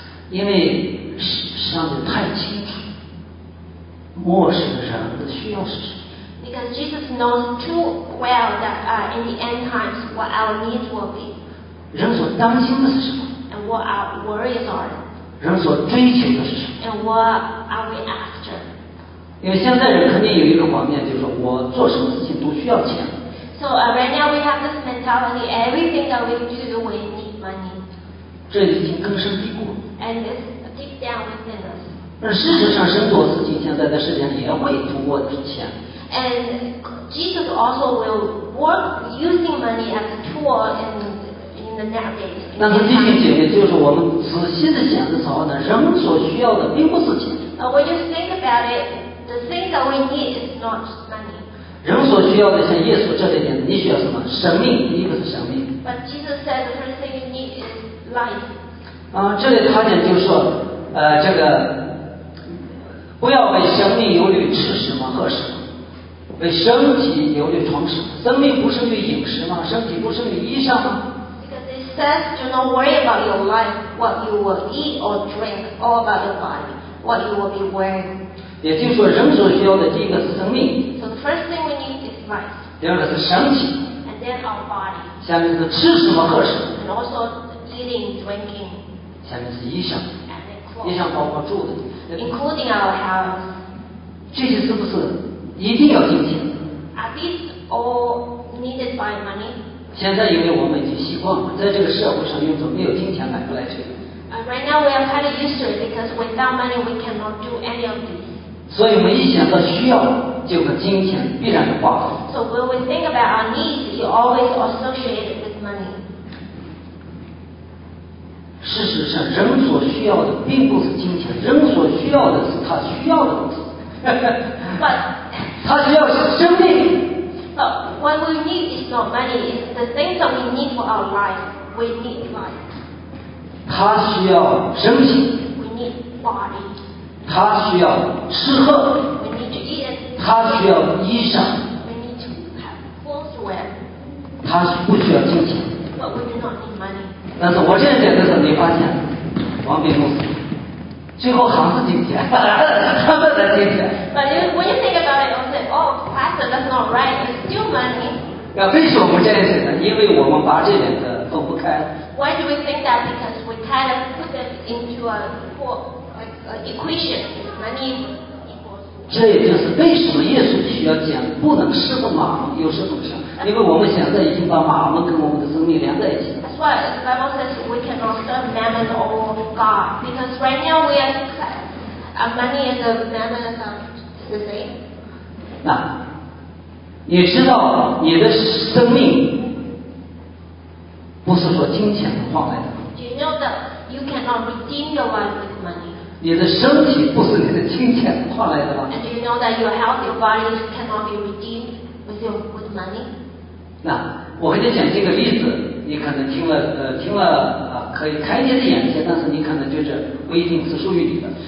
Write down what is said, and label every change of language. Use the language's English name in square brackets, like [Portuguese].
[Chinese] 因为上帝太清楚末世的人的需要是什么。 [English] Because Jesus knows too well that in the end times what our needs will be. [Chinese] 人所担心的是什么？ [English] And what our worries are. [Chinese] 人所追求的是什么？ [English] And what are we after? [Chinese] 因为现在人肯定有一个观念，就是我做什么事情都需要钱。 [English] So right now we have this mentality, everything that we do, we need money. [Chinese] 这已经根深蒂固。 [English] And it's deep down within us. [Chinese] 而事实上，神做事情现在的世界也会通过钱。 [English] And Jesus also will work using money as a tool in the next days. [Chinese] 那他弟兄姐妹，就是我们仔细的想的时候呢，人所需要的并不是钱。 [English] When you think about it, the thing that we need is not money. [Chinese] 人所需要的，像耶稣这里面，你需要什么？生命，第一个是生命。 [English] But Jesus said the first thing you need is. [Chinese] 啊，这里他讲就是说，这个不要为生命忧虑吃什么喝什么，为身体忧虑穿什么。生命不胜于饮食吗？身体不胜于衣裳吗 [English] ？Because it says, do not worry about your life, what you will eat or drink, or about your body, what you will be wearing. [Chinese] 也就是说，人所需要的第一个是生命。 [English] So the first thing we need is life. [Chinese] 第二个是身体。 [English] And then our body. [Chinese] 下面是吃什么喝什么。 [English] And also. Eating, drinking, [Chinese] 下面是衣裳，衣裳包括住的 [English] ，including our house. [Chinese] 这些是不是一定要金钱 [English] ？Are these all needed by money? [Chinese] 现在因为我们已经习惯了，在这个社会上用作没有金钱买不来这个。 [English] right now we are kind of used to it because without money we cannot do any of these. [Chinese] 所以我们一想到需要，就和金钱必然的挂钩。 [English] So when we think about our needs, it always associated with money. [Chinese] 事实上，人所需要的并不是金钱，人所需要的是他需要的东西。 [English] But [Chinese] 他需要生命。 [English] But what we need is not money. It's the things that we need for our life. We need life. [Chinese] 他需要身体。 [English] We need body. [Chinese] 他需要吃喝 [English] we need to eat. [Chinese] 他需要衣裳 [English] we need to have clothes wear. [Chinese] 他不需要金钱 [English] But we do not need money. [Chinese] 但是我这样讲的时候你发现王炳龙最后还是金钱他们的金钱 [English] But you, when you think about it, you say, oh, pastor, that's not right, it's still money. [Chinese] 为什么不这样讲呢？因为我们把这两个分不开。 [English] Why do we think that? Because we kind of put them into a poorequation, money. [Chinese] 这也就是为什么耶稣需要讲不能侍奉马门又侍奉神，因为我们现在已经把马门跟我们的生命连在一起。 [English] That's why the Bible says we cannot serve mammon or God, because right now we are money and the mammon is the same. [Chinese] 那，你知道你的生命不是说金钱能换来的。 [English] Do you know that you cannot redeem your life with money? [Chinese] 你的身体不是你的金钱换来的吗？ [English] And do you know that your health, your body cannot be redeemed with your with money? [Chinese] 那我给你讲这个例子，你可能听了听了啊，可以开你的眼界，但是你可能就是不一定是属于你的。